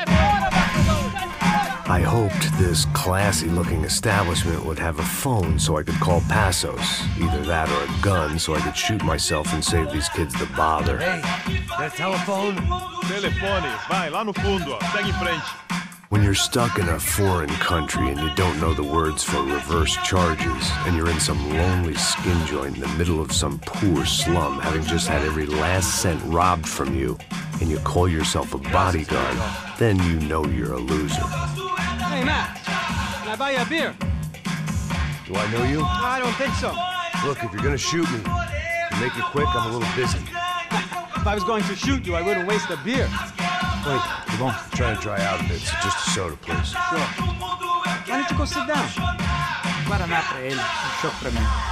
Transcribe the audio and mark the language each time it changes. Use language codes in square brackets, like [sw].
[en] I hoped this classy-looking establishment would have a phone so I could call Passos. Either that or a gun so I could shoot myself and save these kids the bother. Hey, the telephone. [pt] Telefone, vai, lá no fundo, segue em frente. [en] When you're stuck in a foreign country and you don't know the words for reverse charges, and you're in some lonely skin joint in the middle of some poor slum, having just had every last cent robbed from you, and you call yourself a bodyguard, then you know you're a loser. Hey, Matt, can I buy you a beer? Do I know you? No, I don't think so. Look, if you're gonna shoot me, make it quick, I'm a little busy. If I was going to shoot you, I wouldn't waste a beer. Wait, come on. I'm trying to dry out a bit, so just a soda, please. Sure. Why don't you go sit down? [pt] Guaraná pra ele, um choque pra mim.